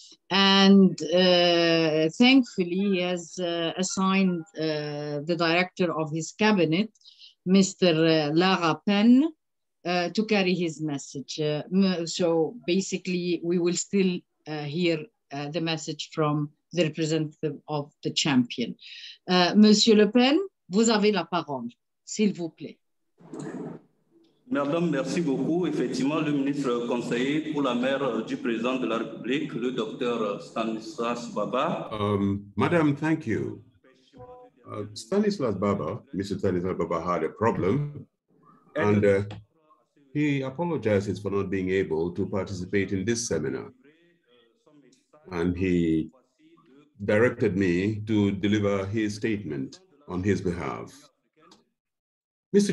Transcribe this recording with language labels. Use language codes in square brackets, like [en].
[en] And thankfully, he has assigned the director of his cabinet, Mr. Lara Penn, to carry his message. So basically, we will still hear the message from the representative of the champion. [fr] Monsieur Le Pen, vous avez la parole, s'il vous plaît. Madame, merci beaucoup. Effectivement, le ministre conseiller pour la mer du président de la République, le docteur Stanislas Baba. [en] Madame, thank you. Stanislas Baba, Mr. Stanislas Baba had a problem, and he apologizes for not being able to participate in this seminar. And he directed me to deliver his statement on his behalf. Mr.